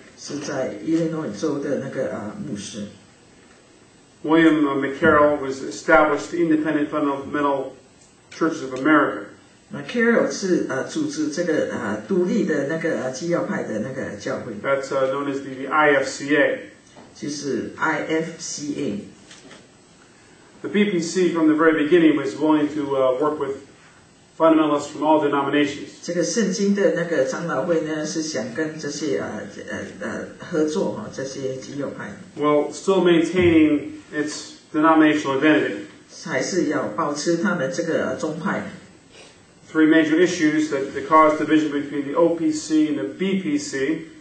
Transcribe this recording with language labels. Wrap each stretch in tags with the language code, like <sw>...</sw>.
<zh>是在伊利诺州的那个牧师。</zh> <en>William McCarroll was established the Independent Fundamental Churches of America. That's known as the IFCA. The BPC from the very beginning was willing to work with fundamentalists from all denominations.</en> <zh>这个圣经的那个长老会呢，是想跟这些合作哈，这些基友派。</zh> <en>Well, still maintaining its denominational identity.</en> <zh>还是要保持他们这个宗派。</zh> <en>Three major issues that caused division between the OPC and the BPC.</en>